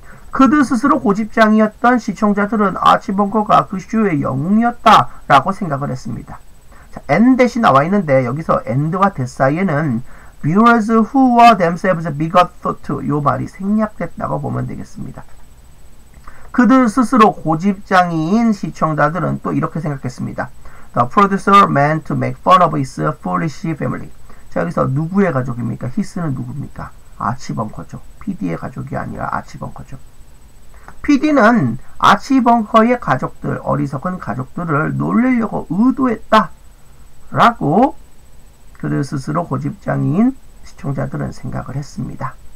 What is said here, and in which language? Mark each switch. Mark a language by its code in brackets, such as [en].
[ko] 그들 스스로 고집장이었던 시청자들은 아치벙커가 그 쇼의 영웅이었다 라고 생각을 했습니다. 자, and 대신 나와 있는데 여기서 and와 that 사이에는 [en] viewers who were themselves bigot thought [ko] 요 말이 생략됐다고 보면 되겠습니다. 그들 스스로 고집장이인 시청자들은 또 이렇게 생각했습니다. [en] The producer meant to make fun of his foolish family. [ko] 자, 여기서 누구의 가족입니까? his는 누굽니까? 아치벙커죠. PD의 가족이 아니라 아치벙커죠. PD는 아치벙커의 가족들, 어리석은 가족들을 놀리려고 의도했다. 라고 그들 스스로 고집장인 시청자들은 생각을 했습니다.